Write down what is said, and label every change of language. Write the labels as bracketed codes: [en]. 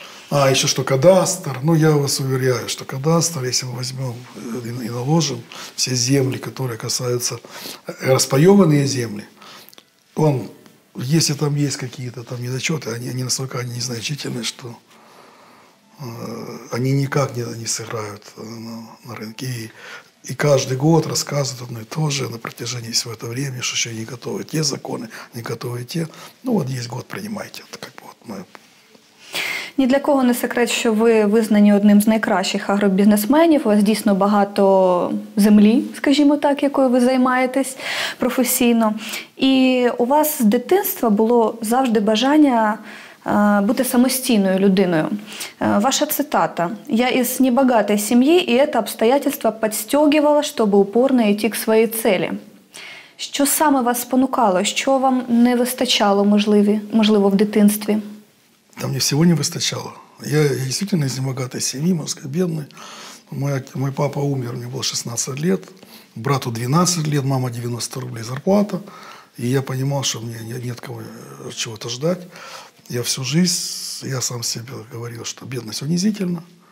[ru] А, еще что, кадастр. Ну, я вас уверяю, что кадастр, если мы возьмем и наложим все земли, которые касаются распаеванные земли, он, если там есть какие-то там недочеты, они настолько незначительны, что они никак не сыграют на рынке. И каждый год рассказывают одно и то же на протяжении всего этого времени, что еще не готовы те законы, не готовы те. Ну, вот есть год, принимайте. Это как бы вот мы... [uk] Ні для кого не секрет, що ви визнані одним з найкращих агробізнесменів. У вас дійсно багато землі, скажімо так, якою ви займаєтесь професійно. І у вас з дитинства було завжди бажання бути самостійною людиною. Ваша цитата. «Я із небагатої сім'ї, і це обстоятельство підстегувало, щоб упорно йти к своїй цілі». Що саме вас спонукало? Що вам не вистачало, можливо, в дитинстві? [ru] Там мне всего не выстачало. Я действительно из небогатой семьи, мозг бедный. Мой папа умер, мне было 16 лет. Брату 12 лет, мама 90 рублей зарплата. И я понимал, что мне нет кого чего-то ждать. Я всю жизнь, я сам себе говорил, что бедность унизительна.